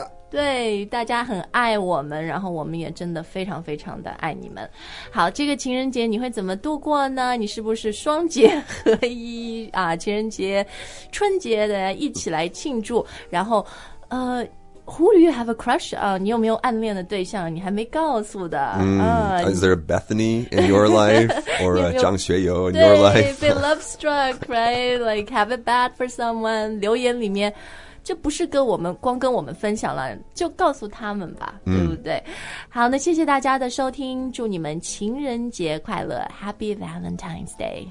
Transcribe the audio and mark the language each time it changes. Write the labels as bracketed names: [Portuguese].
[Chinese] 对，大家很爱我们，然后我们也真的非常非常的爱你们。好，这个情人节你会怎么度过呢？你是不是双节合一啊？情人节、春节的一起来庆祝，然后 [English] Who do you have a crush on? [Chinese] 你有没有暗恋的对象？你还没告诉的。 [English] Is there a Bethany in your life? Or a 张学友 in your life? Be love struck, right? Like have it bad for someone. [Chinese] 留言里面就不是跟我们光跟我们分享了就告诉他们吧、对不对好那谢谢大家的收听祝你们情人节快乐 [English] Happy Valentine's Day